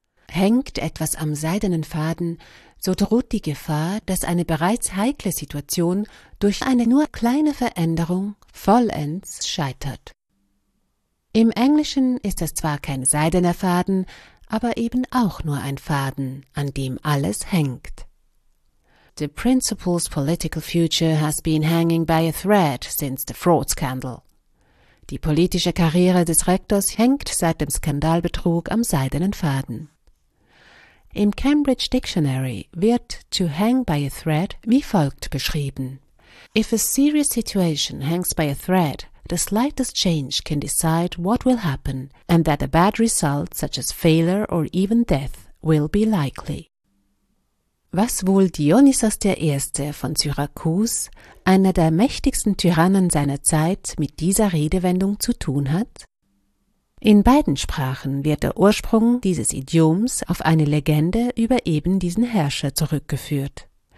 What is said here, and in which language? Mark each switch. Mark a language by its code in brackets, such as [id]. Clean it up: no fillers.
[de] Hängt etwas am seidenen Faden, so droht die Gefahr, dass eine bereits heikle Situation durch eine nur kleine Veränderung vollends scheitert. Im Englischen ist es zwar kein seidener Faden, aber eben auch nur ein Faden, an dem alles hängt. [en] The principal's political future has been hanging by a thread since the fraud scandal. [de] Die politische Karriere des Rektors hängt seit dem Skandalbetrug am seidenen Faden. Im Cambridge Dictionary wird [en] to hang by a thread [de] wie folgt beschrieben. [en] If a serious situation hangs by a thread, the slightest change can decide what will happen and that a bad result, such as failure or even death, will be likely. [de] Was wohl Dionysos I. von Syrakus, einer der mächtigsten Tyrannen seiner Zeit, mit dieser Redewendung zu tun hat? In beiden Sprachen wird der Ursprung dieses Idioms auf eine Legende über eben diesen Herrscher zurückgeführt.